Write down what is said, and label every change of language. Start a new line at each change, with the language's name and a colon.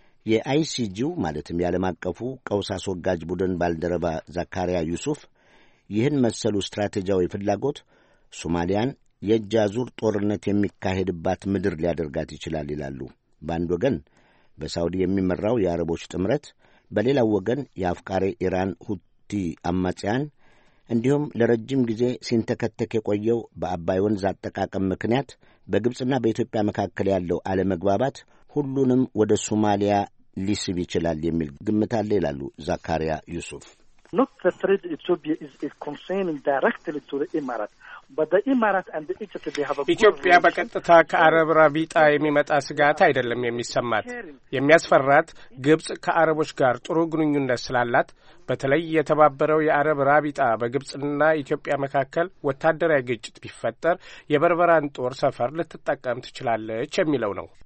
Amharic: የአይሲጂው ማለትም የዓለም አቀፉ ቀውስ አስወጋጅ ቡድን ባልደረባ ዘካሪያ ዩሱፍ ይህን መሰሉ ስትራቴጂያዊ ፍላጎት ሶማሊያን የእጅ አዙር ጦርነት የሚካሄድባት ምድር ሊያደርጋት ይችላል ይላሉ። በአንድ ወገን በሳውዲ የሚመራው የአረቦች ጥምረት፣ በሌላው ወገን የአፍቃሪ ኢራን ሁቲ አማጽያን፣ እንዲሁም ለረጅም ጊዜ ሲንተከተክ የቆየው በአባይ ወንዝ አጠቃቀም ምክንያት በግብፅና በኢትዮጵያ መካከል ያለው አለመግባባት ሁሉንም ወደ ሶማሊያ ሊስብ ይችላል የሚል ግምት አለ ይላሉ ዘካሪያ ዩሱፍ።
English: Not the threat Ethiopia is concerning directly to the Emirates. But the Emirates and the Egypt, they have a
Amharic: ኢትዮጵያ በቀጥታ ከአረብ ራቢጣ የሚመጣ ስጋት አይደለም የሚሰማት። የሚያስፈራት ግብጽ ከአረቦች ጋር ጥሩ ግንኙነት ስላላት፣ በተለይ የተባበረው የአረብ ራቢጣ በግብጽና ኢትዮጵያ መካከል ወታደራዊ ግጭት ቢፈጠር የበርበራን ጦር ሰፈር ልትጠቀም ትችላለች የሚለው ነው።